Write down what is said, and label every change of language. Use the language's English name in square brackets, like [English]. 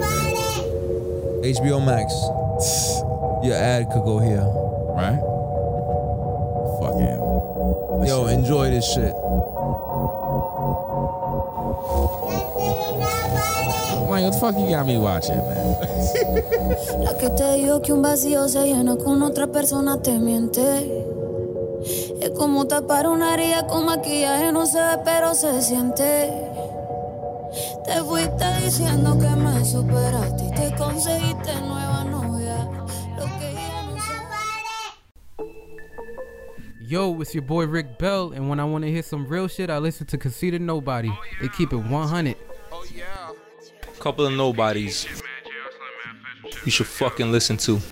[English] HBO Max. Your ad could go here. Right? Fucking. Yo, enjoy this shit. Like, what the fuck you got me watching, man? [Spanish] La que te digo que un vacío se llena con otra persona te miente. Es como tapar una herida con maquillaje, no se ve pero se siente. Te fuiste diciendo que me superaste y te conseguiste nueva novia. Lo que ya no se vale. [English] Yo, it's your boy Rick Bell, and when I want to hear some real shit, I listen to Conceited Nobody. Oh, yeah. They keep it 100. Oh, yeah. couple of nobodies you should fucking listen to.